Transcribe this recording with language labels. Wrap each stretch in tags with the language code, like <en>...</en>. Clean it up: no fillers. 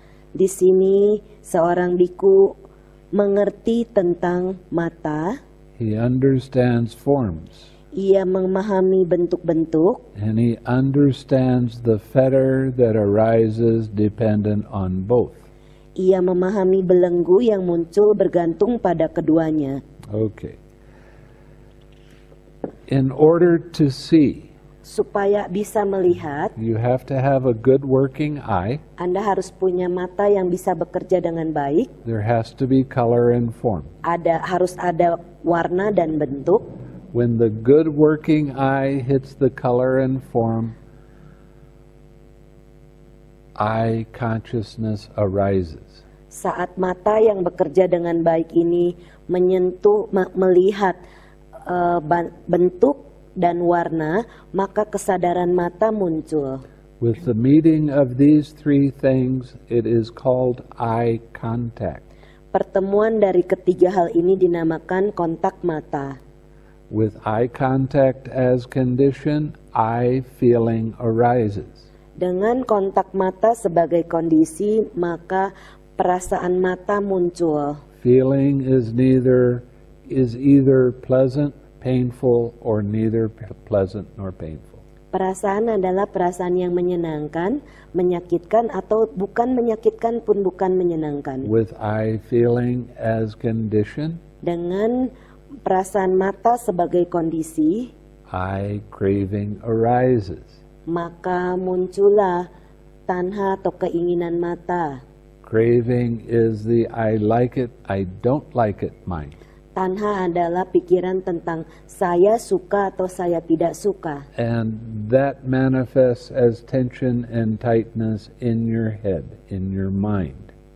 <id>Di sini seorang bhikkhu mengerti tentang mata.</id> <en>He understands forms.</en> <id>Ia memahami bentuk-bentuk.</id> <en>And he understands the fetter that arises dependent on both.</en> <id>Ia memahami belenggu yang muncul bergantung pada keduanya.</id> <en>Okay. In order to see.</en> <id>Supaya bisa melihat.</id> <en>You have to have a good working eye.</en> <id>Anda harus punya mata yang bisa bekerja dengan baik.</id> <en>There has to be color and form.</en> <id>Ada harus ada warna dan bentuk.</id> <en>When the good working eye hits the color and form, eye consciousness arises.</en> <id>Saat mata yang bekerja dengan baik ini menyentuh melihat bentuk dan warna, maka kesadaran mata muncul.</id> <en>With the meeting of these three things, it is called eye contact.</en> <id>Pertemuan dari ketiga hal ini dinamakan kontak mata.</id> <en>With eye contact as condition, eye feeling arises.</en> <id>Dengan kontak mata sebagai kondisi, maka perasaan mata muncul.</id> <en>Feeling is either pleasant, painful, or neither pleasant nor painful.</en> <id>Perasaan adalah perasaan yang menyenangkan, menyakitkan, atau bukan menyakitkan pun bukan menyenangkan.</id> <en>With eye feeling as condition,</en> <id>dengan perasaan mata sebagai kondisi,</id> <en>eye craving arises.</en> <id>Maka muncullah tanha atau keinginan mata.</id> <en>Craving is the I like it, I don't like it mind.</en> <id>Tanha adalah pikiran tentang saya suka atau saya tidak suka.</id> <en>And that manifests as tension and tightness in your head, in your mind.</en>